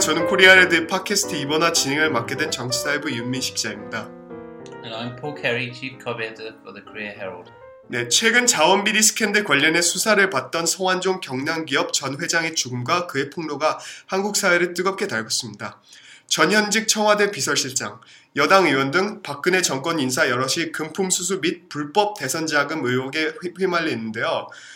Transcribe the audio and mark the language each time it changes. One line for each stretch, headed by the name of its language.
Korean: 저는 코리아레드 팟캐스트 2번화 진행을 맡게 된 정치사회부 윤민식 기자입니다.
English: And I'm Paul Carey, Chief Cub Editor for the Korea Herald.
Korean: 네, 최근 자원비리 스캔들 관련해 수사를 받던 성완종 경남기업 전 회장의 죽음과 그의 폭로가 한국 사회를 뜨겁게 달궜습니다. 전현직 청와대 비서실장, 여당 의원 등 박근혜 정권 인사 여럿이 금품 수수 및 불법 대선 자금 의혹에 휘말려 있는데요.